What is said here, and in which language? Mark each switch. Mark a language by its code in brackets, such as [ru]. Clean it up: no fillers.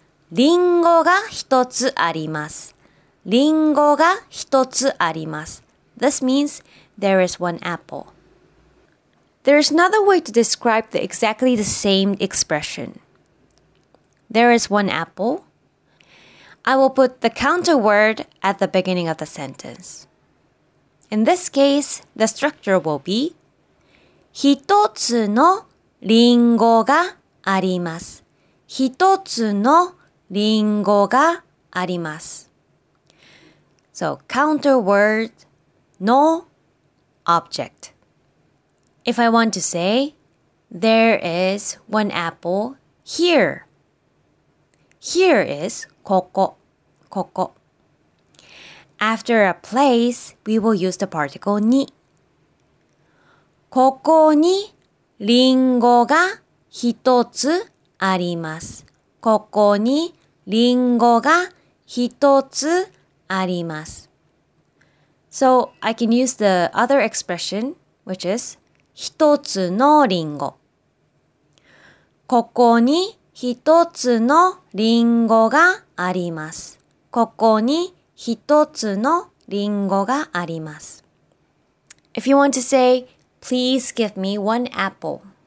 [ja] リンゴが一つあります.リンゴが一つあります. [en] This means there is one apple. There is another way to describe the exactly the same expression. There is one apple. I will put the counter word at the beginning of the sentence. In this case, the structure will be [ja] 一つのリンゴがあります。一つのリンゴがあります。 [en] So, counter word, no object. If I want to say, there is one apple here. Here is [ja] ここ、ここ。 [en] After a place, we will use the particle に。 [ja] ここにリンゴが一つあります。ここにリンゴが一つあります。 [en] So, I can use the other expression, which is [ja] 一つのリンゴ。ここに一つのリンゴがあります。ここに一つのリンゴがあります。 [en] If you want to say, please give me one apple.